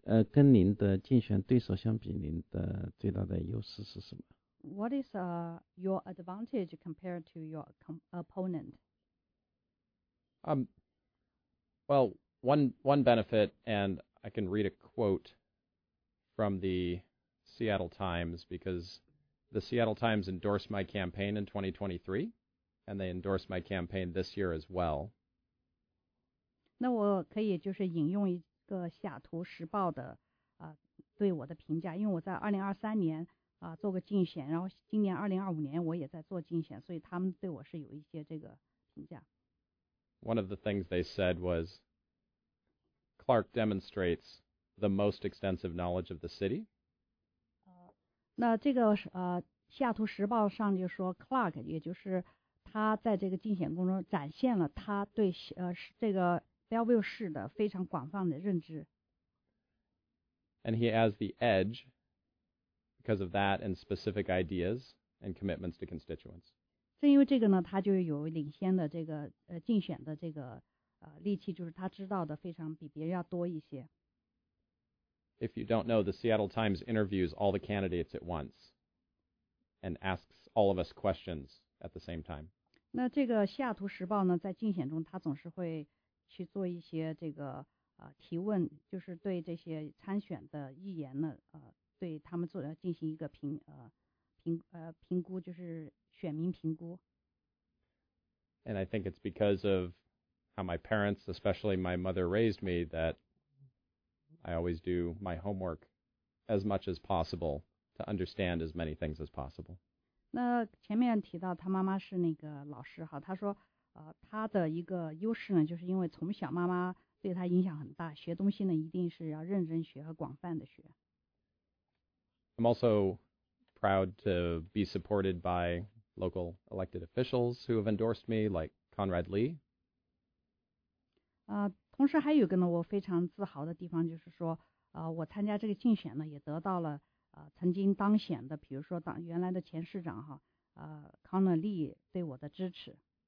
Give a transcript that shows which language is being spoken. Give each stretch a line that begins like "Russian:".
Chinese: 跟您的竞选对手相比，您的最大的优势是什么
English: ？What is your advantage compared to your opponent? Well, one benefit, and I can read a quote from the Seattle Times, because the Seattle Times endorsed my campaign in 2023, and they endorsed my campaign this year as well.
Chinese: 那我可以就是引用一个西雅图时报的对我的评价，因为我在2023年做个竞选，然后今年2025年我也在做竞选，所以他们对我是有一些这个评价。
English: One of the things they said was, Clark demonstrates the most extensive knowledge of the city.
Chinese: 那这个西雅图时报上就说 Clark 也就是他在这个竞选工作中展现了他对这个Bellevue 市的非常广泛的认知。
English: And he has the edge because of that and specific ideas and commitments to constituents.
Chinese: 正因为这个呢，他就有领先的这个竞选的这个力气，就是他知道的非常比别人要多一些。
English: If you don't know, the Seattle Times interviews all the candidates at once and asks all of us questions at the same time.
Chinese: 那这个西雅图时报呢，在竞选中他总是会去做一些这个提问，就是对这些参选的议员呢，对他们做进行一个评估，就是选民评估。
English: And I think it's because of how my parents, especially my mother, raised me that I always do my homework as much as possible to understand as many things as possible.
Chinese: 那前面提到他妈妈是那个老师哈，他说。他的一个优势呢，就是因为从小妈妈对他影响很大，学东西呢一定是要认真学和广泛的学。
English: I'm also proud to be supported by local elected officials who have endorsed me, like Conrad Lee.
Chinese: 同时还有一个呢，我非常自豪的地方就是说，我参加这个竞选呢，也得到了曾经当选的，比如说原来的前市长哈，Conrad Lee 对我的支持。